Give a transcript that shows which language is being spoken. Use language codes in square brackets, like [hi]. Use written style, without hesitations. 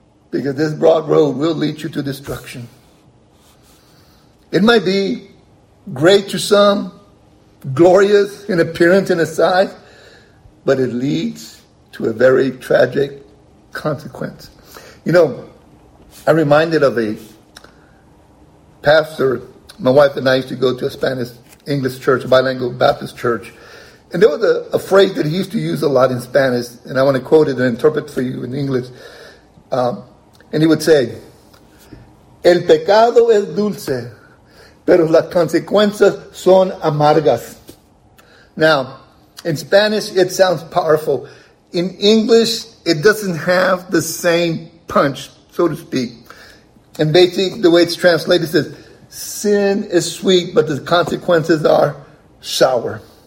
[en] Because this broad road will lead you to destruction. It might be great to some, glorious in appearance and aside, but it leads to a very tragic consequence. You know, I'm reminded of a pastor, my wife and I used to go to a Spanish English church, a bilingual Baptist church, and there was a phrase that he used to use a lot in Spanish, and I want to quote it and interpret for you in English. And he would say, [es] el pecado es dulce, pero las consecuencias son amargas. [en] Now, in Spanish, it sounds powerful. In English, it doesn't have the same punch, so to speak. And basically, the way it's translated says, sin is sweet, but the consequences are sour.